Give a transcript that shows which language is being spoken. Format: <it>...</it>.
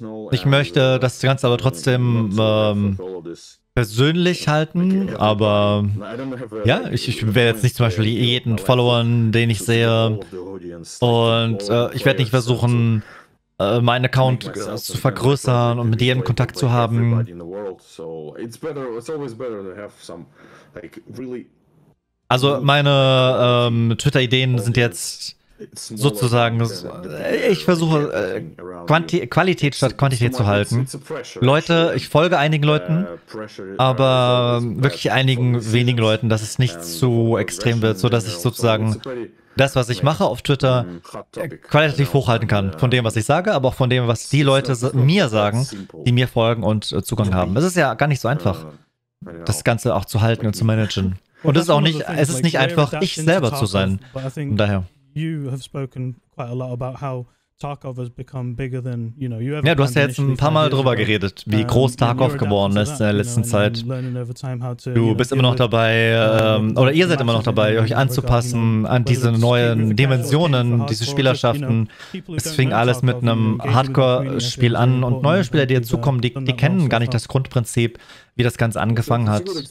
<de>Ich möchte das Ganze aber trotzdem persönlich halten, aber ja, ich werde jetzt nicht zum Beispiel jeden Followern, den ich sehe, und ich werde nicht versuchen, meinen Account zu vergrößern und mit jedem Kontakt zu haben.</de> <en>It's always better to have some, like, really</en> <de>Also meine Twitter-Ideen sind jetzt sozusagen, ich versuche Qualität statt Quantität zu halten. Leute, ich folge einigen Leuten, aber wirklich einigen wenigen Leuten, dass es nicht zu extrem wird, sodass ich sozusagen das, was ich mache auf Twitter, qualitativ hochhalten kann. Von dem, was ich sage, aber auch von dem, was die Leute mir sagen, die mir folgen und Zugang haben. Es ist ja gar nicht so einfach, das Ganze auch zu halten und zu managen. Und es ist auch nicht, es ist nicht einfach, ich selber zu sein. Und daher.</de> <en>You have spoken quite a lot about how Tarkov has become bigger than, you know, you ever.</en> <de>Ja, du hast ja jetzt ein paar Mal drüber geredet, wie groß Tarkov geworden ist in der letzten Zeit. Du bist immer noch dabei, oder ihr seid immer noch dabei, euch anzupassen an diese neuen Dimensionen, diese Spielerschaften. Es fing alles mit einem Hardcore-Spiel an und neue Spieler, die dazukommen, die kennen gar nicht das Grundprinzip, wie das Ganze angefangen hat.</de>